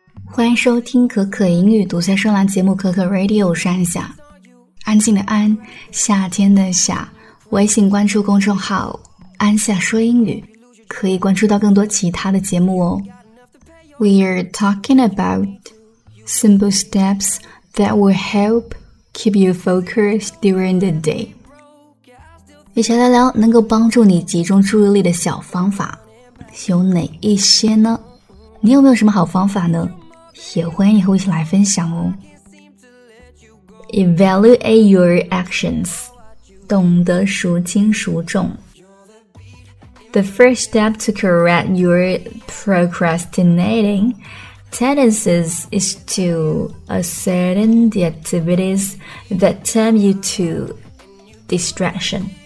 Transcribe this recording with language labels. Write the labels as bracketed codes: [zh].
[zh] 欢迎收听可可英语独家声浪节目可可 Radio， 我是安夏，安静的安，夏天的夏。微信关注公众号安夏说英语，可以关注到更多其他的节目哦。 [en] We are talking about simple steps that will help keep you focused during the day， [zh] 一起来聊能够帮助你集中注意力的小方法有哪一些呢？你有没有什么好方法呢？也欢迎你和我一起来分享哦。 [en] Evaluate your actions， [zh] 懂得孰轻孰重。 [en] The first step to correct your procrastinating tendencies is to ascertain the activities that tempt you to distraction.